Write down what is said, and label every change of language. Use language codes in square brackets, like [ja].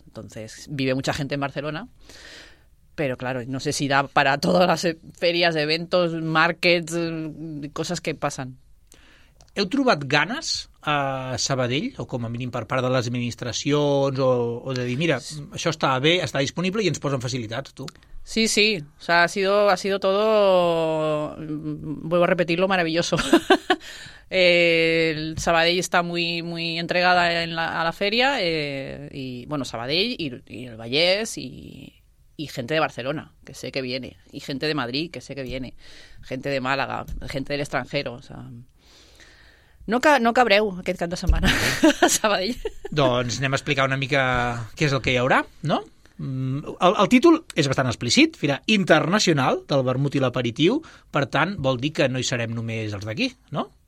[es] Entonces, vive mucha gente en Barcelona, pero claro, no sé si da para todas las ferias, eventos, markets, cosas que pasan. [ca] Heu trobat ganes a Sabadell, o com a mínim per part de les administracions, o de dir, mira, això està bé, està disponible i ens posen facilitats, tu. [es] Sí, sí. O sea, ha sido todo, vuelvo a repetirlo, maravilloso. El Sabadell está muy, muy entregada en a la feria, y bueno, Sabadell y el Vallès y gente de Barcelona, que sé que viene, y gente de Madrid, que sé que viene, gente de Málaga, gente del extranjero, o sea... [ca] No cabreu aquest cap de setmana a Sabadell. Doncs anem a explicar una mica què és el que hi haurà, no? El títol és bastant explícit, Fira Internacional del Vermut i l'Aperitiu, per tant, vol dir que no hi serem només els d'aquí, no?